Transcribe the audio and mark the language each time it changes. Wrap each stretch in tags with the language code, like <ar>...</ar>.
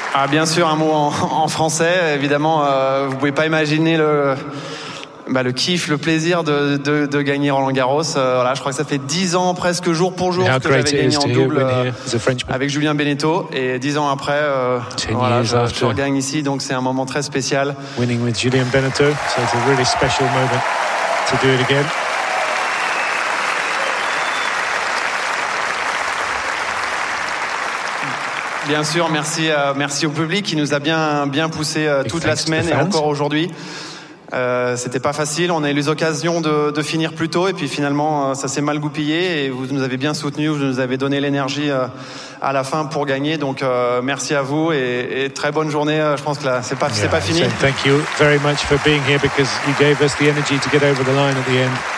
<fr>Bien sûr, un mot en français, évidemment, vous pouvez pas imaginer Bah, le kiff, le plaisir de gagner Roland Garros. Voilà, je crois que ça fait 10 ans presque jour pour jour que j'avais gagné en double avec Julien Beneteau. Et 10 ans après, voilà, je regagne ici. Donc c'est un moment très spécial.</fr> <en>Winning with Julien Beneteau, so it's a really special moment to do it again.</en> <fr>Bien sûr, merci au public qui nous a bien poussé toute la semaine et encore aujourd'hui. C'était pas facile, on a eu l'occasion de finir plus tôt et puis finalement ça s'est mal goupillé et vous nous avez bien soutenus, vous nous avez donné l'énergie à la fin pour gagner, donc merci à vous et très bonne journée, je pense que là c'est pas fini.</fr> <en>So thank you very much for being here because you gave us the energy to get over the line at the end.</en>